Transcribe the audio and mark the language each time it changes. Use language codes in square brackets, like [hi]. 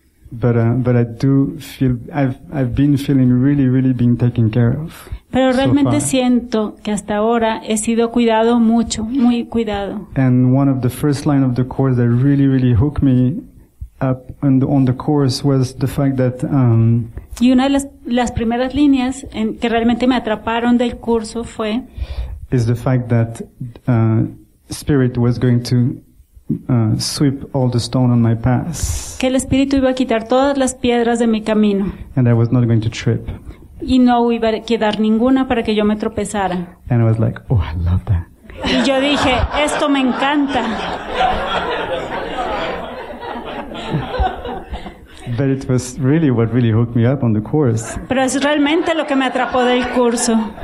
[en] But I do feel I've been feeling really really being taken care of. [es] Pero realmente siento que hasta ahora he sido cuidado mucho, muy cuidado. [en] And one of the first line of the course that really really hooked me up on the course was the fact that [es] y una de las primeras líneas en que realmente me atraparon del curso fue [en] is the fact that spirit was going to sweep all the stone on my path. [es] Que el espíritu iba a quitar todas las piedras de mi camino. [en] And I was not going to trip. [es] Y no iba a quedar ninguna para que yo me tropezara. [en] And I was like, oh, I love that. [es] Y yo dije, esto me encanta. [en] But it was really what really hooked me up on the course. [es] Pero es realmente lo que me atrapó del curso.